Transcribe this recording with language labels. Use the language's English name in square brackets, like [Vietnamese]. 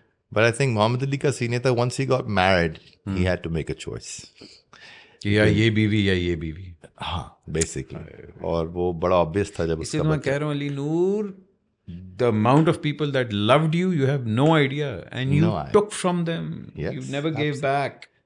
[English] But I think Muhammad Ali [Urdu] ka scene tha, [English] once he got married, he had to make a choice. [Urdu] یہ بیوی یا یہ بیوی, ہاں بیسکلی, اور وہ بڑا obvious تھا جب, اسی میں کہہ رہا ہوں [English] Ali Noor, the amount of people that loved you, you have no idea, and you took from them, yes, you never gave back.